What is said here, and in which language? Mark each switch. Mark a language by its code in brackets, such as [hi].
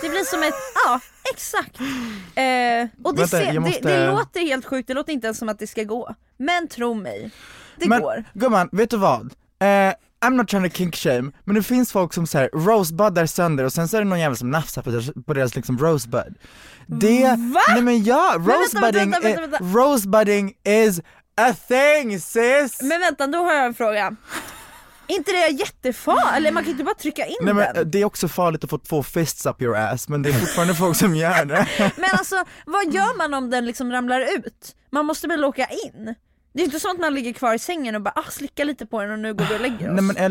[sv] Det blir som ett, ja, exakt. Och det, vänta, jag måste... det låter helt sjukt, det låter inte ens som att det ska gå. Men tro mig, det men, går. Gumman, vet du vad? [en] I'm not trying to kink shame, [sv] men det finns folk som säger rosebud där sönder och sen så är det någon jävel som nafsar på deras liksom rosebud. Det va? Nej men ja, rosebudding. [en] Rosebudding is a thing, sis. [sv] Men vänta, då har jag en fråga. Inte det är jättefarligt, eller man kan inte bara trycka in nej, den. Nej men det är också farligt att få 2 [en] fists up your ass, [sv] men det är fortfarande folk som gör det. Men alltså, vad gör man om den liksom ramlar ut? Man måste väl åka in. Det är inte sånt man ligger kvar i sängen och bara slicka lite på den och nu går du och lägger oss.